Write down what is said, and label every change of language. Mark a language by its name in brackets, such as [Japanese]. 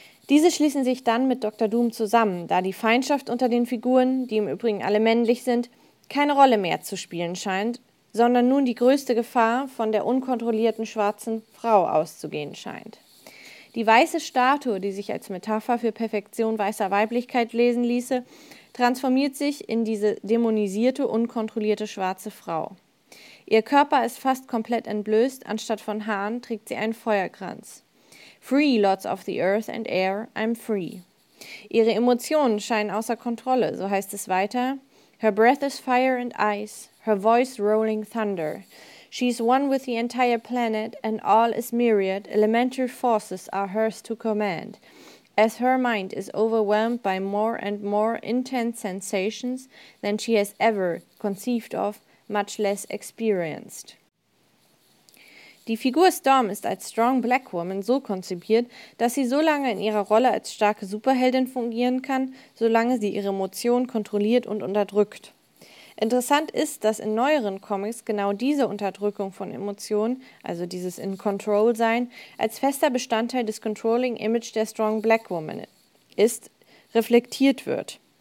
[German] Diese schließen sich dann mit Dr. Doom zusammen, da die Feindschaft unter den Figuren, die im Übrigen alle männlich sind, keine Rolle mehr zu spielen scheint, sondern nun die größte Gefahr von der unkontrollierten schwarzen Frau auszugehen scheint. Die weiße Statue, die sich als Metapher für Perfektion weißer Weiblichkeit lesen ließe, transformiert sich in diese dämonisierte, unkontrollierte schwarze Frau. Ihr Körper ist fast komplett entblößt, anstatt von Haaren trägt sie einen Feuerkranz. [English] Free, Lords of the Earth and Air, I'm free. [German] Ihre Emotionen scheinen außer Kontrolle, so heißt es weiter. [English] Her breath is fire and ice, her voice rolling thunder. She's one with the entire planet, and all is myriad. Elemental forces are hers to command. As her mind is overwhelmed by more and more intense sensations than she has ever conceived of, much less experienced. [German] Die Figur Storm ist als Strong Black Woman so konzipiert, dass sie so lange in ihrer Rolle als starke Superheldin fungieren kann, solange sie ihre Emotionen kontrolliert und unterdrückt. Interessant ist, dass in neueren Comics genau diese Unterdrückung von Emotionen, also dieses In-Control-Sein, als fester Bestandteil des Controlling-Image der Strong Black Woman ist, reflektiert wird.